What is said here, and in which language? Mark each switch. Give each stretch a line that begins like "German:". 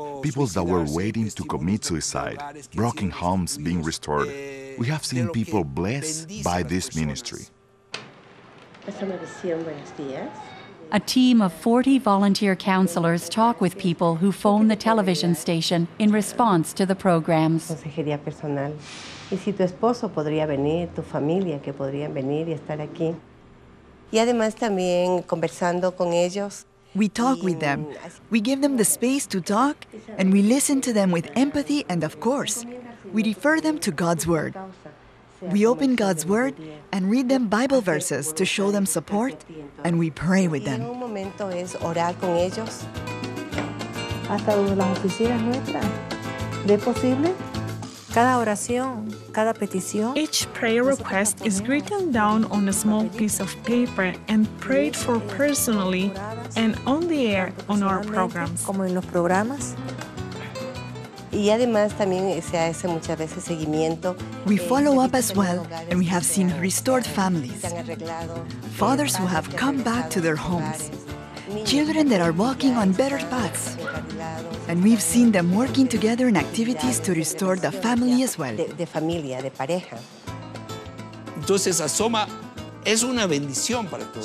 English: People that were waiting to commit suicide, broken homes being restored. We have seen people blessed by this ministry. A team of 40 volunteer counselors talk with people who phone the television station in response to the programs.
Spanish: ¿Y si tu esposo podría venir, tu familia que podrían venir y estar aquí? Y además también conversando con ellos.
English: We talk with them. We give them the space to talk, and we listen to them with empathy, and of course, we refer them to God's Word. We open God's Word and read them Bible verses to show them support, and we pray with them.
Spanish: Hasta las oficinas nuestras. ¿Es posible? Cada oración, cada petición.
English: Each prayer request is written down on a small piece of paper and prayed for personally and on the air on our programs.
Spanish: Como en los programas. Y además también se hace muchas veces seguimiento.
English: We follow up as well, and we have seen restored families. Fathers who have come back to their homes. Children that are walking on better paths. And we've seen them working together in activities to restore the family as well.
Spanish: De familia, de pareja. Entonces, Asoma es una bendición para todos.